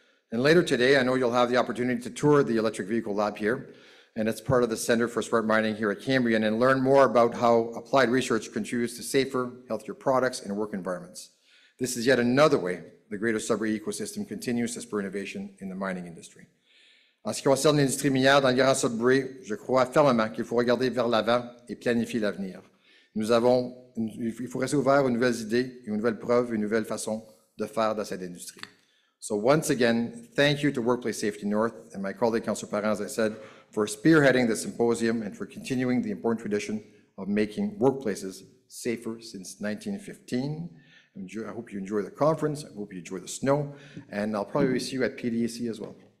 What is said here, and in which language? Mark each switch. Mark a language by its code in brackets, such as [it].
[en] And later today, I know you'll have the opportunity to tour the electric vehicle lab here, and it's part of the Center for Smart Mining here at Cambrian, and learn more about how applied research contributes to safer, healthier products and work environments. This is yet another way the greater Sudbury ecosystem continues to spur innovation in the mining industry. [fr] En ce qui concerne l'industrie minière dans le Grand Sudbury, je crois fermement qu'il faut regarder vers l'avant et planifier l'avenir. Il faut rester ouvert aux nouvelles idées, et aux nouvelles preuves, une nouvelle façon de faire dans cette industrie. [en] So once again, thank you to Workplace Safety North and my colleague, Councillor Parent, as I said, for spearheading the symposium and for continuing the important tradition of making workplaces safer since 1915. I hope you enjoy the conference. I hope you enjoy the snow. And I'll probably see you at PDEC as well.